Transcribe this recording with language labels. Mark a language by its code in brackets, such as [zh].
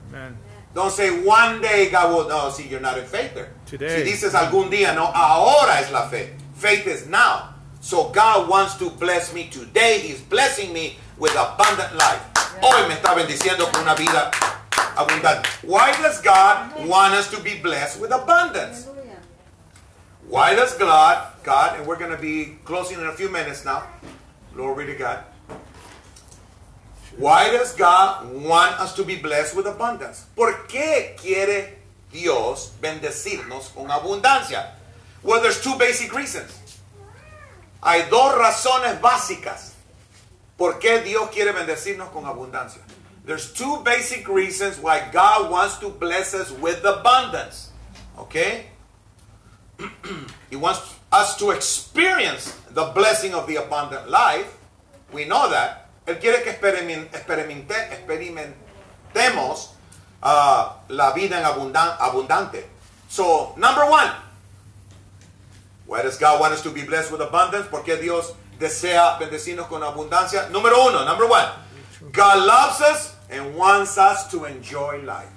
[en] Amen. Don't say one day God will. No, see, you're not in faith there. Today. [es] Si dices algún día, no, ahora es la fe. [en] Faith is now. So God wants to bless me today. He's blessing me with abundant life. Yeah. [es] Hoy me está bendiciendo con una vida abundante. [en] Why does God want us to be blessed with abundance? Why does God, and we're going to be closing in a few minutes now. Glory to God. Why does God want us to be blessed with abundance? [es] ¿Por qué quiere Dios bendecirnos con abundancia? [en] Well, there's two basic reasons. [es] Hay dos razones básicas por qué Dios quiere bendecirnos con abundancia. [en] There's two basic reasons why God wants to bless us with abundance. Okay? He wants us to experience the blessing of the abundant life. We know that. [es] Él quiere que experimentemos la vida en abundante. [en] So, number one, why does God want us to be blessed with abundance? [es] ¿Por qué Dios desea bendecirnos con abundancia? Número uno, [en] number one, God loves us and wants us to enjoy life.